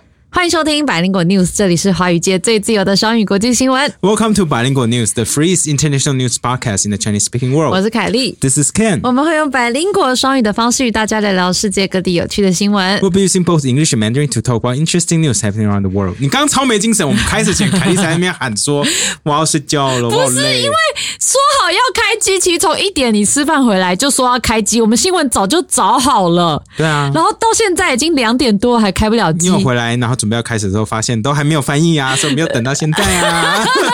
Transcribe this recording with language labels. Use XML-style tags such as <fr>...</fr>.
<zh>欢迎收听百灵果 News， 这里是华语界最自由的双语国际新闻。</zh> <en>Welcome to 百灵果 News， the freest international news podcast in the Chinese speaking world。</en> <zh>我是凯莉</zh> <en>，This is Ken。</en> <zh>我们会用百灵果双语的方式与大家来聊世界各地有趣的新闻。</zh> <en>We'll be using both English and Mandarin to talk about interesting news happening around the world。</en> <zh>你刚超没精神，我们开始前凯莉在那边喊说我要睡觉了，不是因为说好要开机，其实从一点你吃饭回来就说要开机，我们新闻早就找好了。对啊，然后到现在已经两点多还开不了机，因为回来然后准备要开始的时候发现都还没有翻译啊，所以没有等到现在啊。</zh>